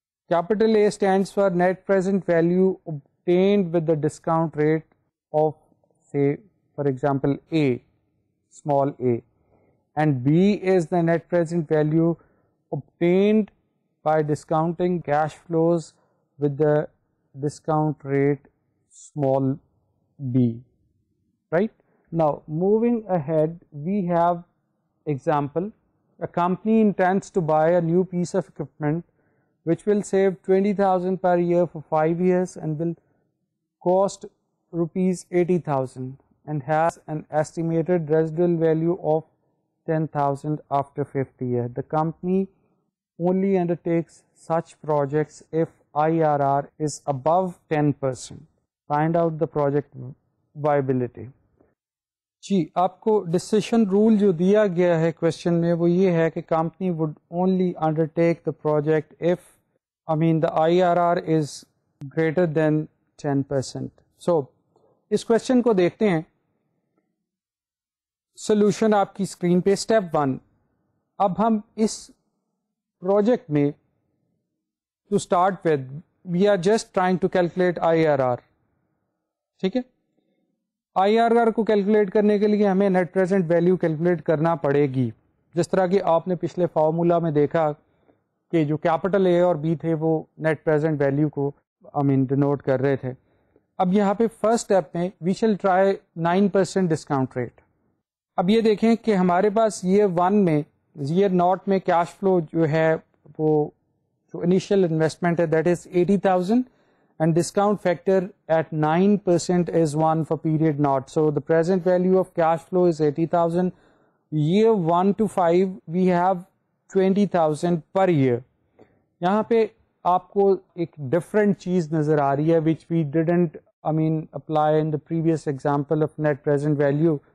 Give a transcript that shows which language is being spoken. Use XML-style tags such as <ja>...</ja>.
<en>Capital A stands for net present value obtained with the discount rate of say for example a small A, and B is the net present value obtained by discounting cash flows with the discount rate small B. Right, now moving ahead we have example. A company intends to buy a new piece of equipment which will save 20,000 per year for 5 years and will cost rupees 80,000 and has an estimated residual value of 10,000 after 50 years. The company only undertakes such projects if IRR is above 10%. Find out the project viability.</en> <ur>جی, آپ کو ڈسیشن role جو دیا گیا ہے question میں وہ یہ ہے کہ</ur> <en>Company would only undertake the project if I mean the I R R is greater than 10%.</en> <ur>So اس question کو دیکھتے ہیں. سولوشن آپ کی اسکرین پہ, اسٹیپ ون. اب ہم اس پروجیکٹ میں</ur> <en>To start with we are just trying to calculate I R R.</en> <ur>ٹھیک ہے, آئی آر آر کو کیلکولیٹ کرنے کے لیے ہمیں نیٹ پریزنٹ ویلیو کیلکولیٹ کرنا پڑے گی. جس طرح کہ آپ نے پچھلے فارمولا میں دیکھا کہ جو کیپٹل اے اور بی تھے وہ نیٹ پریزنٹ ویلیو کو ڈینوٹ کر رہے تھے. اب یہاں پہ فرسٹ اسٹیپ میں</ur> <en>We shall try 9% discount rate.</en> <ur>اب یہ دیکھیں کہ ہمارے پاس ایئر ون میں, ایئر ناٹ میں کیش فلو جو ہے وہ جو انیشیل انویسٹمنٹ ہے that is 80,000</ur> <en>and discount factor at 9% is 1 for period naught. So the present value of cash flow is 80,000. Year 1 to 5 we have 20,000 per year.</en> <ur>Yahan pe aapko ek different cheez nazar aa rahi hai</ur> <en>which we didn't apply in the previous example of net present value.</en>